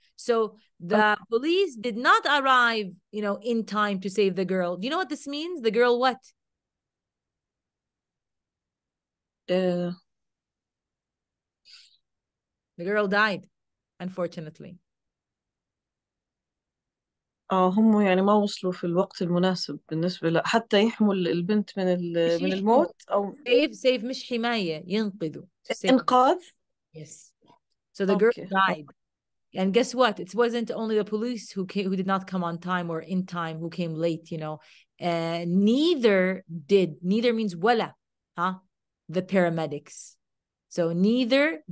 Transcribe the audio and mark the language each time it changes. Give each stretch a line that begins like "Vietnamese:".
English: So the police did not arrive, you know, in time to save the girl. Do you know what this means? The girl what? The girl died, unfortunately.
Arabic: هم يعني ما وصلوا في الوقت المناسب بالنسبة حتى يحموا البنت من الموت أو save مش حماية ينقذوا إنقاذ
English: yes so the girl died and guess what it wasn't only the police who came, who did not come on time or in time who came late you know neither means ولا huh the paramedics so neither